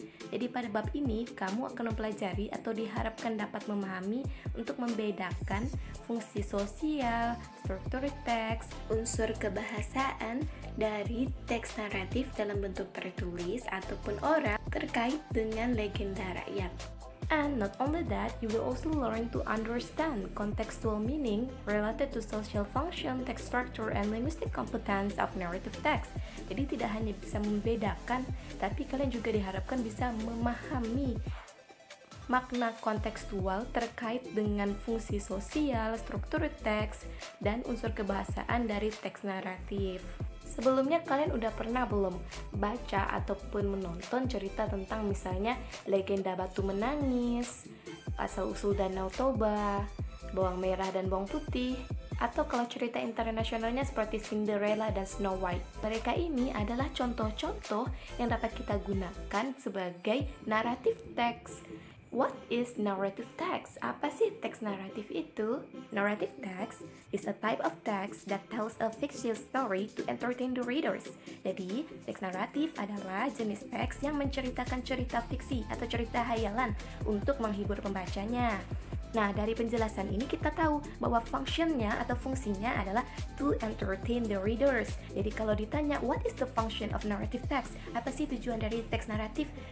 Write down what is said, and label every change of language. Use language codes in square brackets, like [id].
[id] Jadi pada bab ini, kamu akan mempelajari atau diharapkan dapat memahami untuk membedakan fungsi sosial, struktur teks, unsur kebahasaan dari teks naratif dalam bentuk tertulis ataupun oral terkait dengan legenda rakyat. [en] And not only that, you will also learn to understand contextual meaning related to social function, text structure, and linguistic competence of narrative text. [id] Jadi tidak hanya bisa membedakan, tapi kalian juga diharapkan bisa memahami makna kontekstual terkait dengan fungsi sosial, struktur teks, dan unsur kebahasaan dari teks naratif. Sebelumnya kalian udah pernah belum baca ataupun menonton cerita tentang misalnya legenda Batu Menangis, asal-usul Danau Toba, Bawang Merah dan Bawang Putih, atau kalau cerita internasionalnya seperti Cinderella dan Snow White. Mereka ini adalah contoh-contoh yang dapat kita gunakan sebagai narrative text. [en] What is narrative text? [id] Apa sih teks naratif itu? [en] Narrative text is a type of text that tells a fictional story to entertain the readers. [id] Jadi, teks naratif adalah jenis teks yang menceritakan cerita fiksi atau cerita hayalan untuk menghibur pembacanya. Nah, dari penjelasan ini kita tahu bahwa functionnya atau fungsinya adalah [en] to entertain the readers. [id] Jadi kalau ditanya, [en] what is the function of narrative text? [id] Apa sih tujuan dari teks naratif?